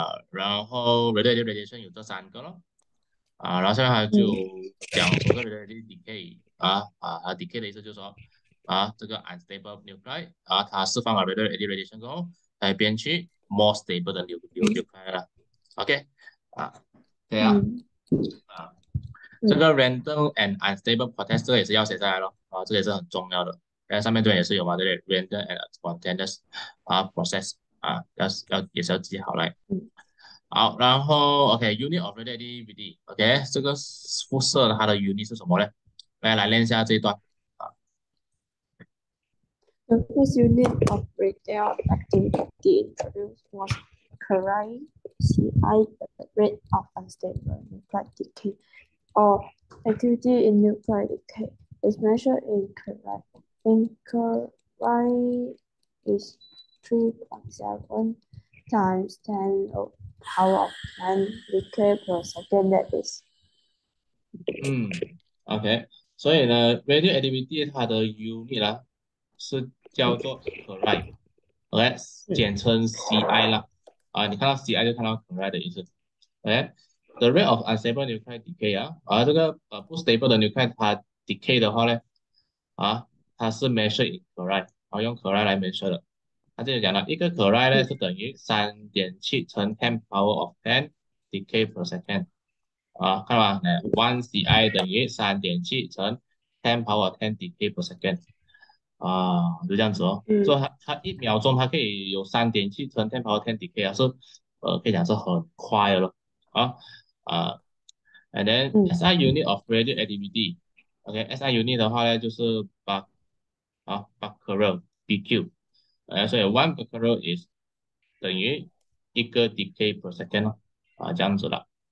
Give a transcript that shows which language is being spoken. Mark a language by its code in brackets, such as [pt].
[zh] 然后 radiation 有这三个咯，然后下面还就讲什么是 radiation decay decay 的意思就是说这个 unstable nuclei 它释放了 radiation 过后，它变去 more stable 的 nuclei 了，OK 对啊，这个 [en] random and unstable protons [zh] 这个也是要写下来咯，这个也是很重要的，但上面这边也是有嘛，对不对？ [en] random and spontaneous process [zh] 也是要记好来。好，然后 OK，unit of radioactivity，OK，这个辐射它的 unit 是什么呢？来练一下这一段 [en] The first unit of radioactivity introduced was curie, Ci, the rate of unstable nuclear decay, or activity in nuclear decay, is measured in curie. In curie, is 3.7 times 10 of power of 10 decay per second, that is. [zh] 所以呢，radioactivity 它的 unit 啦是叫做 curie，OK，简称 Ci 啦。你看到 Ci 就看到 curie 的意思。 OK， [en] the rate of unstable nuclear decay [zh] 这个不 stable 的 nuclear 它 decay 的话呢，它是 [en] measured in curie， [zh] 用 curie 来 measure 的。它这里讲了一个 curie 呢是等于3.7 × 10^10 decay per second。看到吗？ one ci 等于3.7 × 10^10 decay per second，就这样子哦。所以它一秒钟它可以有3.7 × 10^10 decay 啊，可以讲是很快的了。 [en] And then SI unit of radioactivity， [zh] OK，SI unit 的话呢就是becquerel BQ，所以 one becquerel is 等于一个 decay per second 这样子了。